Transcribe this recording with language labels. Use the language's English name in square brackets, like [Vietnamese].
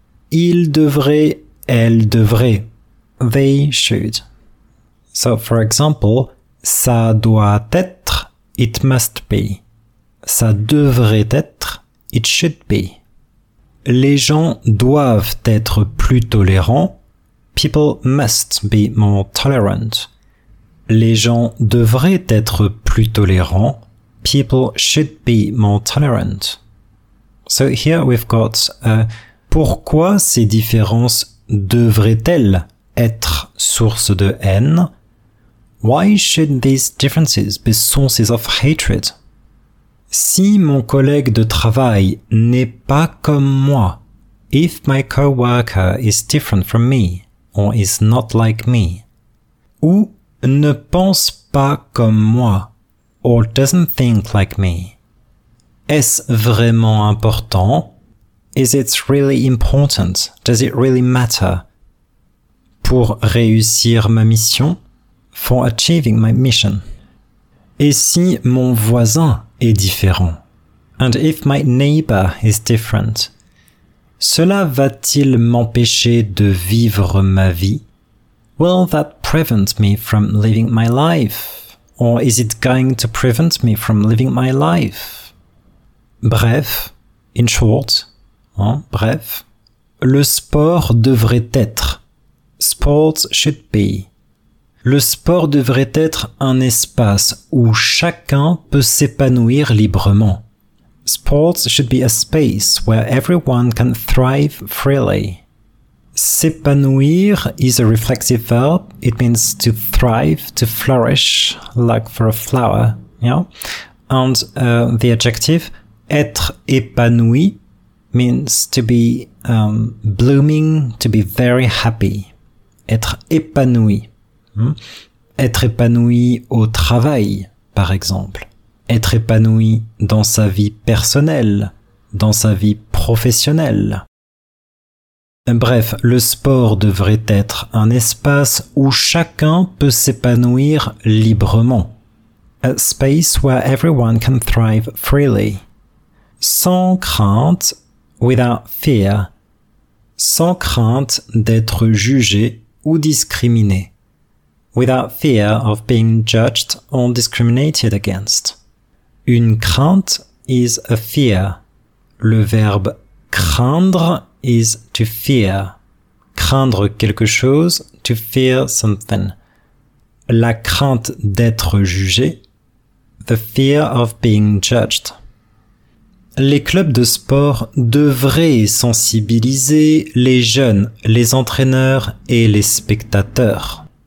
[French] Ils devraient, elles devraient. [English] They should. So, for example, [French] ça doit être, [English] it must be. [French] Ça devrait être, [English] it should be. [French] Les gens doivent être plus tolérants. [English] People must be more tolerant. [French] Les gens devraient être plus tolérants. [English] People should be more tolerant. So here we've got [French] pourquoi ces différences devraient-elles être source de haine? [English] Why should these differences be sources of hatred? [French] Si mon collègue de travail n'est pas comme moi, [English] if my coworker is different from me or is not like me, [French] ou ne pense pas comme moi [English] or doesn't think like me, [French] est-ce vraiment important? [English] Is it really important? Does it really matter? [French] Pour réussir ma mission? [English] For achieving my mission. [French] Et si mon voisin est différent? [English] And if my neighbor is different? [French] Cela va-t-il m'empêcher de vivre ma vie? [English] Will that prevent me from living my life? Or is it going to prevent me from living my life? [French] Bref, [English] in short, [French] hein, bref, le sport devrait être, [English] sports should be. [French] Le sport devrait être un espace où chacun peut s'épanouir librement. [English] Sports should be a space where everyone can thrive freely. S'épanouir is a reflexive verb. It means to thrive, to flourish, like for a flower, yeah? And the adjective, être épanoui means to be blooming, to be very happy. [French] Être épanoui. Hmm? Être épanoui au travail, par exemple. Être épanoui dans sa vie personnelle, dans sa vie professionnelle. Bref, le sport devrait être un espace où chacun peut s'épanouir librement. [English] A space where everyone can thrive freely. [French] Sans crainte, [English] without fear. [French] Sans crainte d'être jugé ou discriminé. [English] Without fear of being judged or discriminated against. Une crainte is a fear. [French] Le verbe craindre [English] is to fear. [French] Craindre quelque chose, [English] to fear something. [French] La crainte d'être jugé, [English] the fear of being judged. [French] Les clubs de sport devraient sensibiliser les jeunes, les entraîneurs et les spectateurs.